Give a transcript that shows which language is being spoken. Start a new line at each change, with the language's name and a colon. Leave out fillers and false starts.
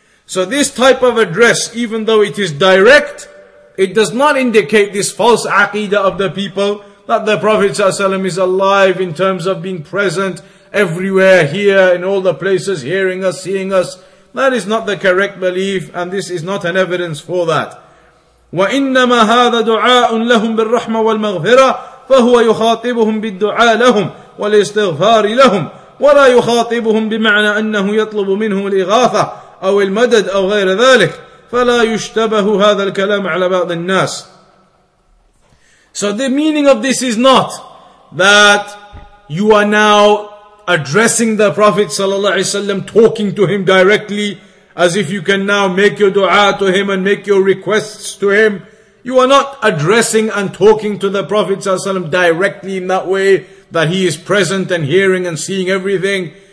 English: So this type of address, even though it is direct, it does not indicate this false aqidah of the people that the Prophet ﷺ is alive in terms of being present everywhere, here, in all the places, hearing us, seeing us. That is not the correct belief and this is not an evidence for that.
Arabic: وَإِنَّمَا هَذَا دُعَاءٌ لَهُمْ بِالرَّحْمَةِ وَالْمَغْفِرَةِ فَهُوَ يُخَاطِبُهُمْ بِالدُّعَاء لَهُمْ والاستغفار لهم ولا يخاطبهم بمعنى أنه يطلب منهم الإغاثة أو المدد أو غير ذلك فلا يشتبه هذا الكلام على بعض الناس.
English: So the meaning of this is not that you are now addressing the Prophet sallallahu alaihi wasallam, talking to him directly as if you can now make your dua to him and make your requests to him. You are not addressing and talking to the Prophet sallallahu alaihi wasallam directly in that way, that he is present and hearing and seeing everything.